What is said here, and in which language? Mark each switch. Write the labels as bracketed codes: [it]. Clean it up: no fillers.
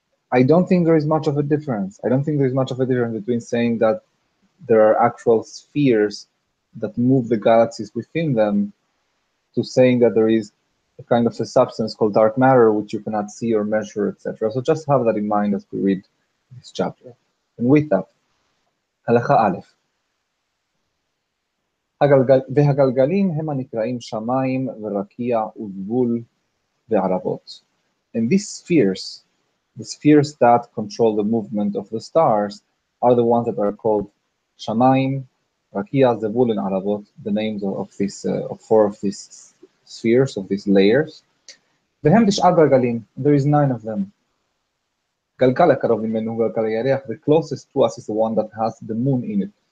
[en] I don't think there is much of a difference. I don't think there is much of a difference between saying that there are actual spheres that move the galaxies within them to saying that there is a kind of a substance called dark matter which you cannot see or measure, etc. So just have that in mind as we read this chapter. And with that, Halakha Aleph. [he] והגלגלים הם הנקראים שמיים ורקיע וזבול וערבות. [en] And these spheres, the spheres that control the movement of the stars, are the ones that are called Shamayim, Rakia, Zebul, and Aravot, the names of four of these spheres, of these layers. [he] V'hem tish'at gargalim, [en] there is nine of them. [he] Galgal ha'karov imenu, galgal ha'yareach, [en] the closest to us is the one that has the moon in it.